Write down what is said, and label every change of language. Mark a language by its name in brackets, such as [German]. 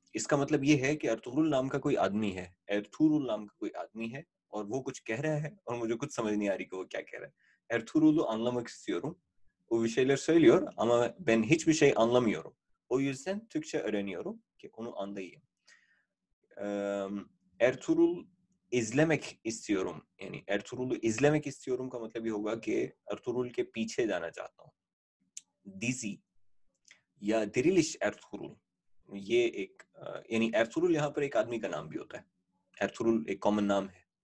[Hindi] इसका मतलब ये है कि अर्तुगरुल नाम का कोई आदमी है, अर्तुगरुल नाम का कोई आदमी है और वो कुछ कह रहा है और मुझे कुछ समझ नहीं आ रही कि वो क्या कह रहा है. [Turkish] अर्तुगरुल'u anlamak istiyorum. O bir şeyler söylüyor ama ben hiçbir şey anlamıyorum. O yüzden Türkçe öğreniyorum ki onu anlayayım. Ertuğrul izlemek istiyorum. Yani Ertuğrul'u izlemek istiyorum [Hindi] का मतलब ये होगा कि अर्तुगरुल के पीछे जाना चाहता हूँ. डिजी या दिरिलिश अर्तुगरुल, ये एक यानी अर्तुगरुल यहाँ पर एक आदमी का नाम भी होता है. अर्तुगरुल एक कॉमन नाम है.